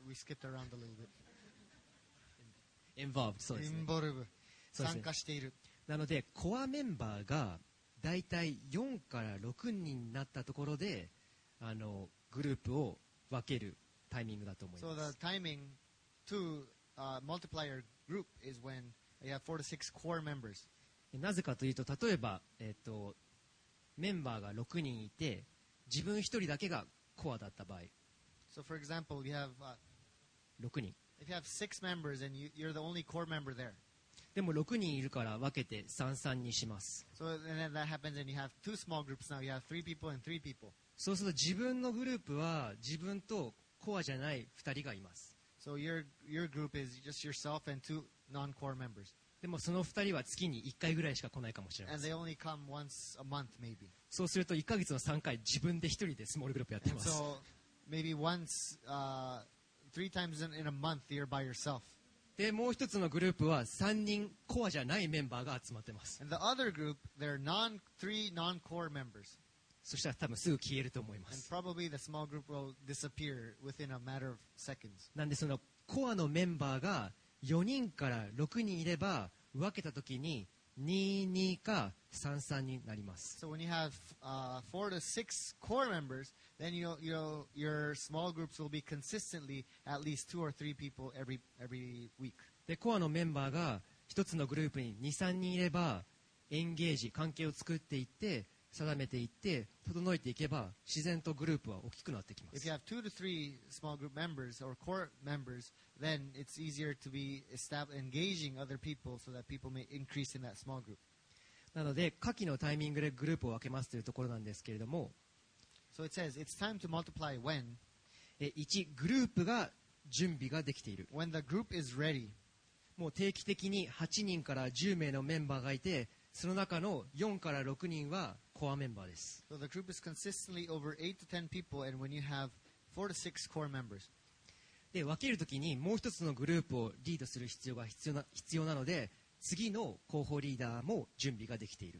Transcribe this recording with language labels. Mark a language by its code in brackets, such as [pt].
[en] We skipped around a little bit。 [ja] Involved、 そうですね、 Involved、 参加している。なのでコアメンバーがだいたい4から6人になったところで、あのグループを分けるタイミングだと思います。 [en] So the timing to、multiply your group is when you have 4 to 6 core members。 [ja] なぜかというと、例えば、メンバーが6人いて自分1人だけがコアだった場合、 [en] So for example you have [ja] 6人。 [en] If you have 6 members and you're the only core member there。 [ja] でも6人いるから分けて 3-3 にします。 [en] So then that happens and you have two small groups now. You have three people and three people. [ja] そうすると自分のグループは自分とコアじゃない2人がいます。 [en] So your group is just yourself and two non-core members. [ja] でもその2人は月に1回ぐらいしか来ないかもしれません。 [en] And they only come once a month maybe. [ja] そうすると1ヶ月の3回自分で1人でスモールグループやってます。 [en] So maybe once, three times in a month you're by yourself. [ja] でもう一つのグループは3人コアじゃないメンバーが集まってます。 [en] And the other group, they're three non-core members. [ja] そしたら多分すぐ消えると思います。 [en] And probably the small group will disappear within a matter of seconds. [ja] なんでそのコアのメンバーが4人から6人いれば、分けた時に 2-2 か 3-3 になります。 [en] So when you have 4 to 6 core members, then your small groups will be consistently at least 2 or 3 people every week. [ja] で、コアのメンバーが一つのグループに 2-3 人いれば、エンゲージ、関係を作っていって、定めていって、整えていけば、自然とグループは大きくなってきます。 [en] If you have 2 to 3 small group members or core members, then it's easier to be engaging other people so that people may increase in that small group. [ja] なので、下記のタイミングでグループを分けますというところなんですけれども、 [en] So it says, it's time to multiply when 1. [ja] グループが準備ができている。 [en] When the group is ready. [ja] もう定期的に8人から10名のメンバーがいて、その中の4から6人はコアメンバーです。 [en] So the group is consistently over 8 to 10 people and when you have 4 to 6 core members. [ja] で、分けるときにもう一つのグループをリードする必要が必要なので、次の候補リーダーも準備ができている。